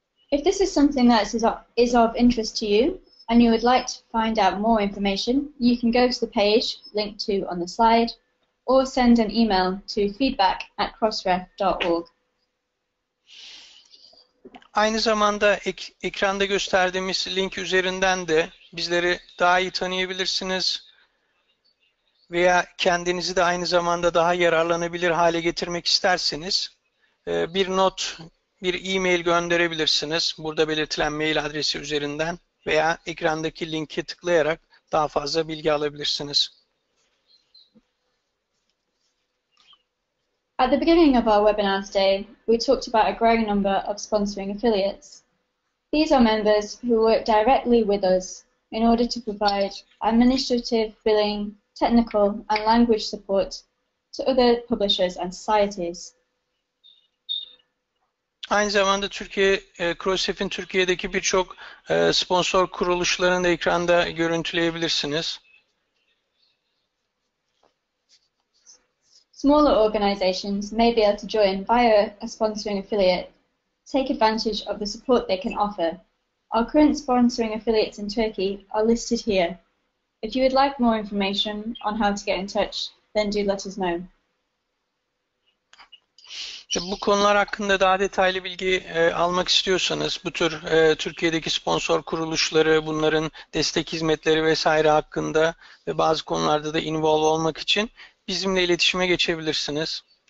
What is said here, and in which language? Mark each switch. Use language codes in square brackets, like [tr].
[en] If this is something that is of interest to you and you would like to find out more information, you can go to the page linked to on the slide or send an email to feedback@crossref.org. [tr] Aynı zamanda ekranda gösterdiğimiz link üzerinden de bizleri daha iyi tanıyabilirsiniz. Veya kendinizi de aynı zamanda daha yararlanabilir hale getirmek isterseniz bir not, bir e-mail gönderebilirsiniz. Burada belirtilen mail adresi üzerinden veya ekrandaki linki tıklayarak daha fazla bilgi alabilirsiniz. [en] At the beginning of our webinar today, we talked about a growing number of sponsoring affiliates. These are members who work directly with us in order to provide administrative, billing, technical and language support to other publishers and societies. [tr] Aynı zamanda Türkiye Crossref'in Türkiye'deki birçok sponsor kuruluşlarını da ekranda görüntüleyebilirsiniz. [en] Smaller organizations may be able to join via a sponsoring affiliate, take advantage of the support they can offer. Our current sponsoring affiliates in Turkey are listed here. If you would like more information on how to get in touch, then do let us know. [tr] Bu konular hakkında daha detaylı bilgi almak istiyorsanız, bu tür Türkiye'deki sponsor kuruluşları, bunların destek hizmetleri vesaire hakkında ve bazı konularda da involve olmak için bizimle iletişime geçebilirsiniz.